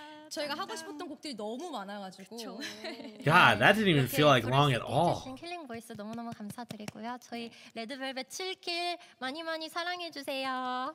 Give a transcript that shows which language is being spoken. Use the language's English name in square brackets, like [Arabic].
[Korean] 저희가 하고 싶었던 곡들이 너무 많아가지고. [English] God, that didn't even feel like long at all. [Korean] 킬링 보이스 너무너무 감사드리고요. 저희 레드벨벳 7킬 많이 많이 사랑해 주세요.